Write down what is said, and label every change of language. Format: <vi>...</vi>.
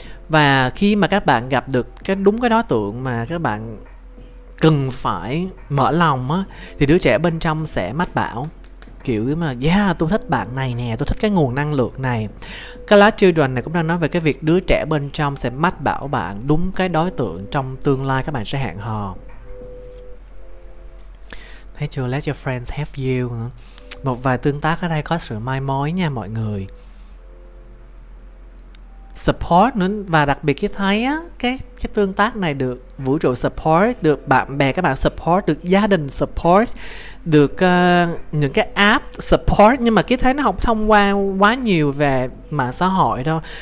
<vi>Và khi mà các bạn gặp được cái đúng cái đối tượng mà các bạn cần phải mở lòng á, thì đứa trẻ bên trong sẽ mách bảo kiểu mà tôi thích bạn này nè, tôi thích cái nguồn năng lượng này. Cái lá children này cũng đang nói về cái việc đứa trẻ bên trong sẽ mách bảo bạn đúng cái đối tượng trong tương lai các bạn sẽ hẹn hò. Thấy chưa,</vi> <en>let your friends help you.</en> <vi>Một vài tương tác ở đây có sự mai mối nha mọi người. Support nữa, và đặc biệt cái thấy á, cái tương tác này được vũ trụ support, được bạn bè các bạn support, được gia đình support, được những cái app support, nhưng mà cái thấy nó không thông qua quá nhiều về mạng xã hội đâu.</vi>